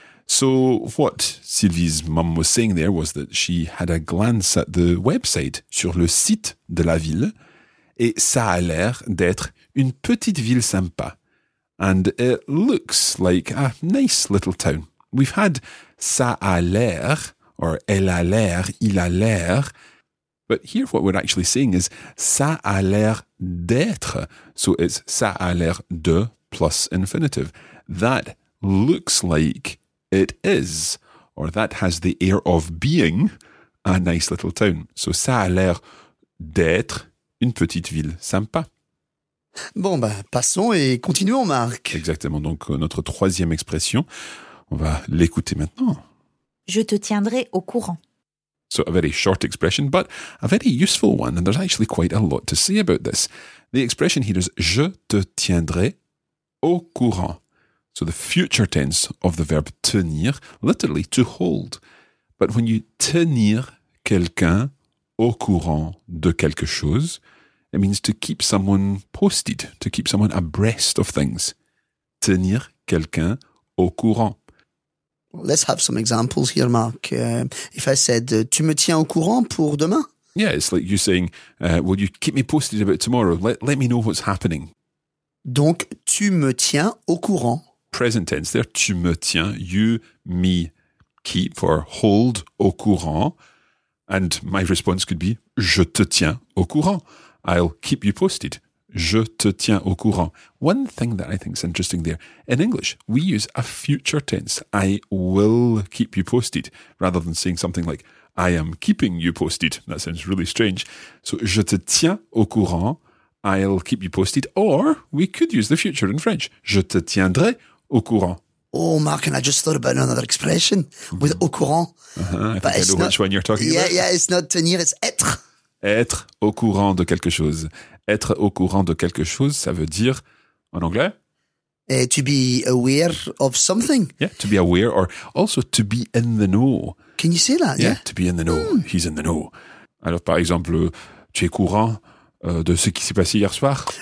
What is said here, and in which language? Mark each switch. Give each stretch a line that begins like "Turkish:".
English: So what Sylvie's mum was saying there was that she had a glance at the website,
French: sur le site de la ville. Et ça a l'air d'être une petite ville sympa.
English: And it looks like a nice little town. We've had
French: ça a l'air,
English: or
French: elle a l'air, il a l'air.
English: But here what we're actually saying is
French: ça a l'air d'être.
English: So it's
French: ça a l'air de
English: plus infinitive. That looks like it is. Or that has the air of being a nice little town.
French: So ça a l'air d'être une petite ville sympa. Bon, bah, passons et continuons, Marc. Exactement. Donc, notre troisième expression, on va l'écouter maintenant. Je te tiendrai au courant.
English: So, a very short expression, but a very useful one. And there's actually quite a lot to say about this. The expression here is
French: je te tiendrai au courant.
English: So, the future tense of the verb tenir, literally to hold. But when you
French: tenir quelqu'un au courant de quelque chose,
English: it means to keep someone posted, to keep someone abreast of things. Tenir quelqu'un au courant. Let's have some examples here, Mark. If I said,
French: tu me tiens au courant pour demain?
English: Yeah, it's like you saying, will you keep me posted about tomorrow? Let me know what's happening.
French: Donc, tu me tiens au courant.
English: Present tense there,
French: tu me tiens,
English: you, me, keep or hold
French: au courant.
English: And my response could be,
French: je te tiens au courant.
English: I'll keep you posted.
French: Je te tiens au courant.
English: One thing that I think is interesting there, in English, we use a future tense. I will keep you posted, rather than saying something like, I am keeping you posted. That sounds really strange. So,
French: je te tiens au courant,
English: I'll keep you posted. Or, we could use the future in French.
French: Je te tiendrai au courant.
English: Oh, Mark, and I just thought about another expression with au courant. Uh-huh, I think I know which one you're talking about. Yeah, it's not tenir, it's être.
French: Être au courant de quelque chose. Être au courant de quelque chose, ça veut dire, en anglais?
English: To be aware of something. Yeah, to be aware, or also to be in the know. Can you say that? Yeah, to be in the know. Mm. He's in the know.
French: Alors, par exemple, tu es courant de ce qui s'est passé hier soir?